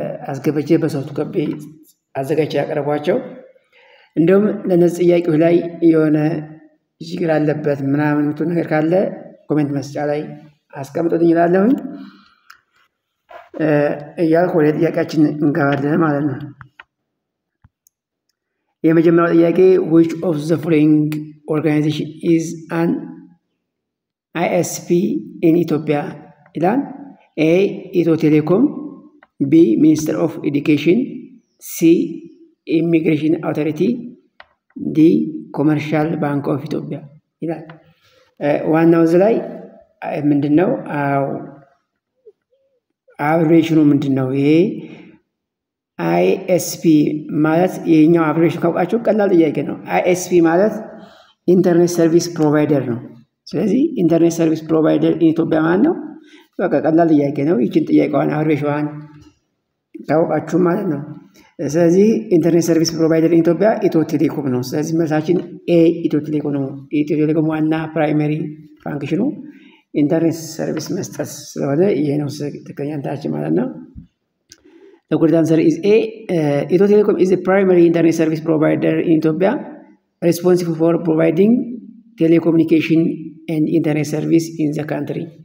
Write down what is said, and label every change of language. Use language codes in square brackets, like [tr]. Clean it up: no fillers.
[am] አስገብቼ በሶፍት ኮፒ አዘጋጅቼ ያቀረብኳቸው እንደውም ለነዚህ ጥያቄዎች ላይ የሆነ ችግር አለበት ምናምን የምትሉ ነገር ካለ ኮሜንት መስጫ ላይ አስቀምጡልኝ እላለሁ። እያልኩ ወደ ጥያቄያችን እንገባለን ማለት ነው። የመጀመሪያው ጥያቄ [en] which of the following organization is an ISP in Ethiopia? [am] ይላል [en] A. Ethio Telecom B. Minister of Education C. Immigration Authority D. [am] Commercial Bank of Ethiopia ይላል። ዋናው እዚህ ላይ ምንድን ነው? አዎ አብሬሽኑ ምንድን ነው? ይሄ ISP ማለት የኛው አብሬሽን ካውቃችሁ ቀላል ጥያቄ ነው። ISP ማለት ኢንተርኔት ሰርቪስ ፕሮቫይደር ነው። ስለዚህ ኢንተርኔት ሰርቪስ ፕሮቫይደር ኢትዮጵያ ማለት ነው። በቃ ቀላል ጥያቄ ነው። ይችን ጥያቄዋን አብሬሽዋን ታውቃችሁ ማለት ነው። ስለዚህ ኢንተርኔት ሰርቪስ ፕሮቫይደር ኢትዮጵያ ኢትዮ ቴሌኮም ነው። ስለዚህ መልሳችን ኤ ኢትዮ ቴሌኮም ነው። ኢትዮ ቴሌኮም ዋና ፕራይመሪ ፋንክሽኑ ኢንተርኔት ሰርቪስ መስጠት ስለሆነ ይሄ ነው ትክክለኛ አንታችን ማለት ነው። [en] The correct answer is A. Ethio Telecom is the primary internet service provider in Ethiopia, responsible for providing telecommunication and internet service in the country.